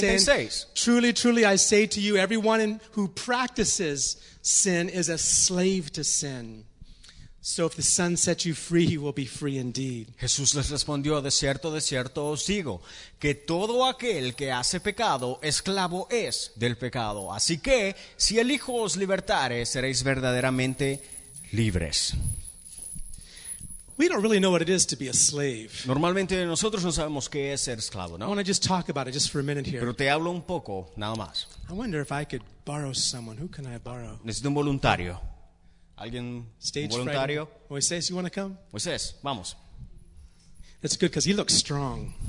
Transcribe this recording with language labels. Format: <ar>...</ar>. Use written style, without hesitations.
<en>them, saying, "Truly, truly, I say to you, everyone who practices sin is a slave to sin." So if the Son sets you free, you will be free indeed.</en> <es>Jesús les respondió, de cierto os digo, que todo aquel que hace pecado, esclavo es del pecado. Así que, si el Hijo os libertare, seréis verdaderamente libres.</es> <en>We don't really know what it is to be a slave.</en> <es>Normalmente nosotros no sabemos qué es ser esclavo, ¿no?</es> <en>I want to just talk about it just for a minute here.</en> <es>Pero te hablo un poco, nada más.</es> <en>I wonder if I could borrow someone. Who can I borrow?</en> <es>Necesito un voluntario. ¿Alguien</es> <en>Stage</en> <es>voluntario?</es> <en>Moisés, you want to come?</en> <es>Moisés, vamos.</es> <en>That's good because he looks strong.</en>